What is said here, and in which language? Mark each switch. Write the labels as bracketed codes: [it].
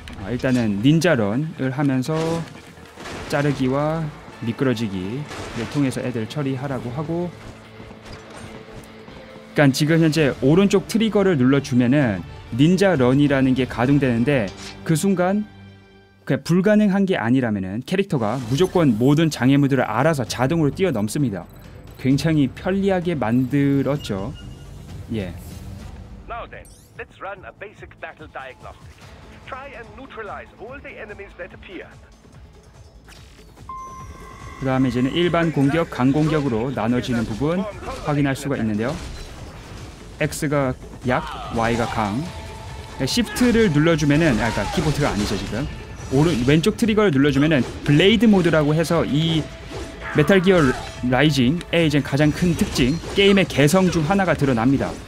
[ko] 일단은 닌자런을 하면서 자르기와 미끄러지기를 통해서 애들 처리하라고 하고 그러니까 지금 현재 오른쪽 트리거를 눌러주면은 닌자 런이라는 게 가동되는데 그 순간 그냥 불가능한 게 아니라면은 캐릭터가 무조건 모든 장애물들을 알아서 자동으로 뛰어넘습니다. 굉장히 편리하게 만들었죠. 예. [en] Now then, let's run a basic battle diagnostic. Try and neutralize all the enemies that appear. [ko] 그다음에 이제는 일반 공격, 강공격으로 나눠지는 부분 확인할 수가 있는데요. X가 약, Y가 강. Shift를 눌러주면은, 아까 그러니까 키보드가 아니죠 지금. 왼쪽 트리거를 눌러주면은 블레이드 모드라고 해서 이 메탈 기어 라이징의 이제 가장 큰 특징, 게임의 개성 중 하나가 드러납니다.